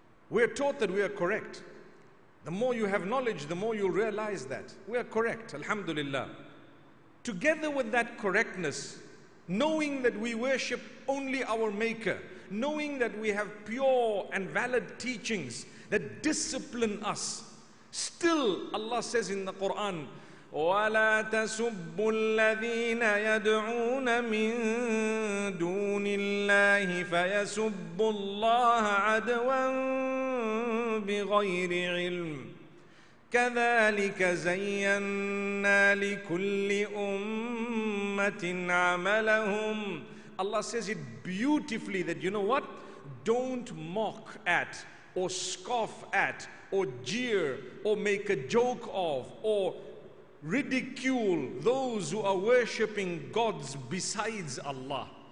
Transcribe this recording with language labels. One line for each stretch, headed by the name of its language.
English: We are taught that we are correct. The more you have knowledge, the more you'll realize that we are correct. Alhamdulillah. Together with that correctness, knowing that we worship only our Maker, knowing that we have pure and valid teachings that discipline us, still Allah says in the Quran,
Arabic: ولا تسبوا الذين يدعون من دون الله فيسبوا الله عدوا بغير علم كذلك زينا لكل أمة عملهم.
English: Allah says it beautifully that, you know what? Don't mock at or scoff at or jeer or make a joke of or ridicule those who are worshipping gods besides Allah.